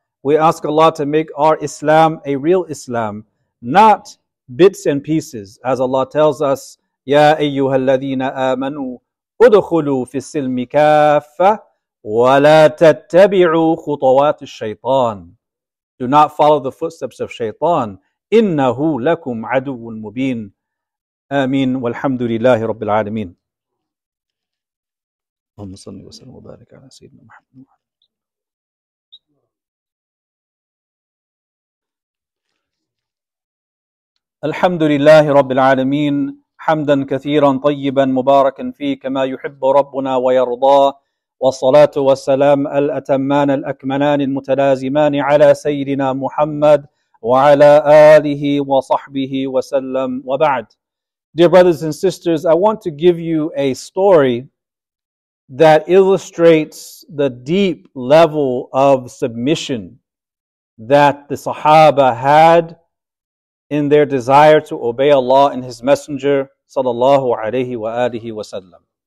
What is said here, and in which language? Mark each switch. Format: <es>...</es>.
<en>We ask Allah to make our Islam a real Islam, not bits and pieces, as Allah tells us,</en> <ar>يَا أَيُّهَا الَّذِينَ آمَنُوا أُدْخُلُوا فِي السِّلْمِ كَافَّةً وَلَا تَتَّبِعُوا خُطَوَاتِ الشَّيْطَانِ.</ar> <en>Do not follow the footsteps of shaytan.</en> <ar>إِنَّهُ لَكُمْ عَدُوٌ مُبِينٌ. آمين والحمد لله رب العالمين. اللهم صل وسلم وبارك على سيدنا محمد. الحمد لله رب العالمين حمدا كثيرا طيبا مباركا فيه كما يحب ربنا ويرضى والصلاة والسلام الأتمان الأكملان المتلازمان على سيدنا محمد وعلى آله وصحبه وسلم وبعد.</ar> <en>Dear brothers and sisters, I want to give you a story that illustrates the deep level of submission that the Sahaba had in their desire to obey Allah and His Messenger, sallallahu alayhi wa alihi wa sallam.</en>